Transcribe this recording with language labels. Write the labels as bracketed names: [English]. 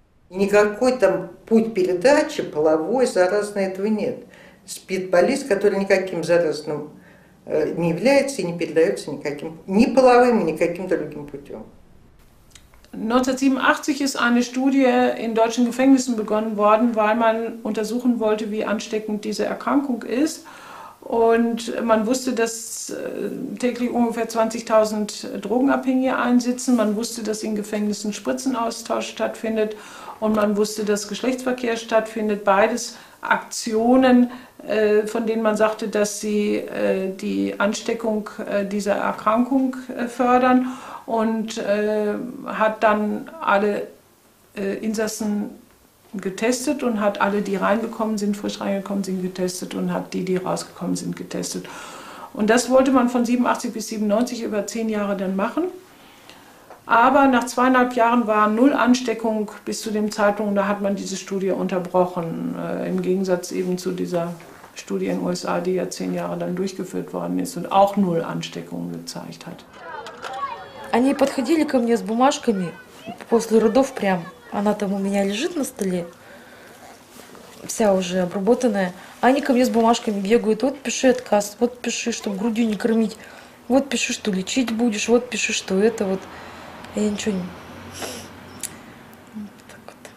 [Russian] Никакой там путь передачи половой, заразной этого нет. Спит болезнь, которая никаким заразным не является и не передается никаким, ни половым, ни каким другим путем. [German] 1987 ist eine Studie in deutschen Gefängnissen begonnen worden, weil man untersuchen wollte, wie ansteckend diese Erkrankung ist. Und man wusste, dass täglich ungefähr 20.000 Drogenabhängige einsitzen. Man wusste, dass in Gefängnissen Spritzenaustausch stattfindet. Und man wusste, dass Geschlechtsverkehr stattfindet. Beides Aktionen, von denen man sagte, dass sie die Ansteckung dieser Erkrankung fördern. Und hat dann alle Insassen getestet und hat alle, die reingekommen sind, frisch reingekommen sind, getestet und hat die, die rausgekommen sind, getestet. Und das wollte man von 87 bis 97 über 10 Jahre dann machen. Aber nach 2,5 Jahren war null Ansteckung bis zu dem Zeitpunkt, und da hat man diese Studie unterbrochen, im Gegensatz eben zu dieser Studie in den USA, die ja 10 Jahre dann durchgeführt worden ist und auch null Ansteckung gezeigt hat. [Russian] Они подходили ко мне с бумажками после родов прям. Она там у меня лежит на столе, вся уже обработанная. Они ко мне с бумажками бегают, вот пиши отказ, вот пиши, чтобы грудью не кормить, вот пиши, что лечить будешь, вот пиши, что это вот. А я ничего не... Вот так вот.